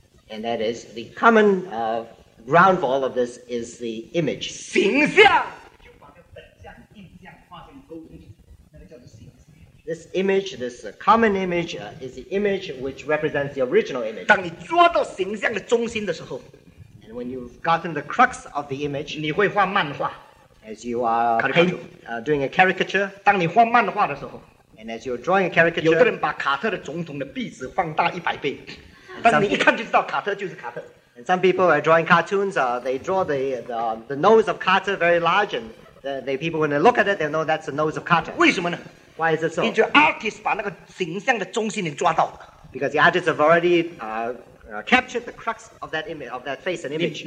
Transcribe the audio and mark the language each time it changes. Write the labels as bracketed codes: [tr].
[en] And that is the common ground for all of this is the image. [zh] 形象就把这本相、印象化成沟通，那个叫做形象 [en] This image, this common image, is the image which represents the original image. [zh] 当你抓到形象的中心的时候 [en] And when you've gotten the crux of the image, [zh] 你会画漫画 [en] As you are doing a caricature, [zh] 当你画漫画的时候 [en] and as you're drawing a caricature, [zh] 有的人把卡特的总统的鼻子放大一百倍，但你一看就知道卡特就是卡特。 [en] And some people are drawing cartoons, they draw the nose of Carter very large, and the people when they look at it, they know that's the nose of Carter. [zh] 为什么呢？ [en] Why is it so? [zh] 因为 artist 把那个形象的中心给抓到了。 [en] Because the artist have already captured the crux of that image, of that face and image.